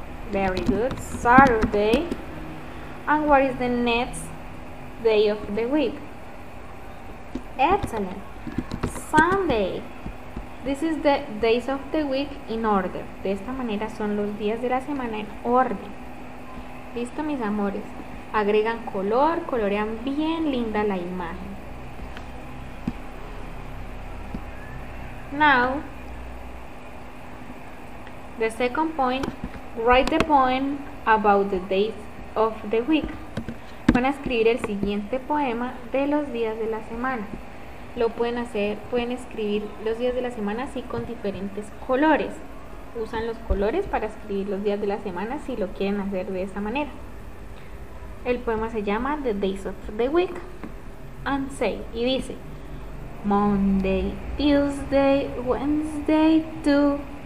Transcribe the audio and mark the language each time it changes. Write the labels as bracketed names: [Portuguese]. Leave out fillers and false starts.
[English] Very good. Saturday. And what is the next day of the week? Excellent. Sunday. This is the days of the week in order. [Spanish] De esta manera son los días de la semana en orden. Listo, mis amores. Agregan color, colorean bien linda la imagen. [English] Now, the second point, write the poem about the days of the week. [Spanish] Van a escribir el siguiente poema de los días de la semana. Lo pueden hacer, pueden escribir los días de la semana así con diferentes colores. Usan los colores para escribir los días de la semana si lo quieren hacer de esa manera. El poema se llama [English] The Days of the Week and Say [Spanish] y dice: [English] Monday, Tuesday, Wednesday, too.